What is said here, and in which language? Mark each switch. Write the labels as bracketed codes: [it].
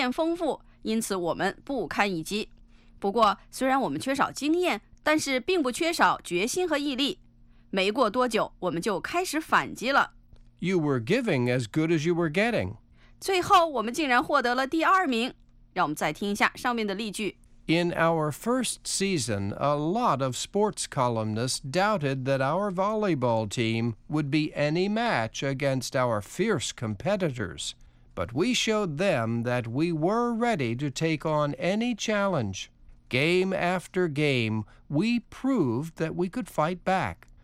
[zh] 第一个赛季，很多体育专栏作家都怀疑我们不是其他人的对手，但是我们以实际行动告诉他们，我们做好了迎接任何挑战的准备。每场比赛都证明，我们毫不示弱的加以还击。如今，我们终于赢得了联盟的冠军头衔。你可知道被人小看的滋味？上大学的时候，我加入了刚刚成立的辩论队，大家都觉得我们的对手经验丰富，因此我们不堪一击。不过，虽然我们缺少经验，但是并不缺少决心和毅力。没过多久，我们就开始反击了。 [en] You were giving as good as you were getting. [zh] 最后，我们竟然获得了第二名。让我们再听一下上面的例句。 [en] In our first season, a lot of sports columnists doubted that our volleyball team would be any match against our fierce competitors. But we showed them that we were ready to take on any challenge. Game after game, we proved that we could fight back.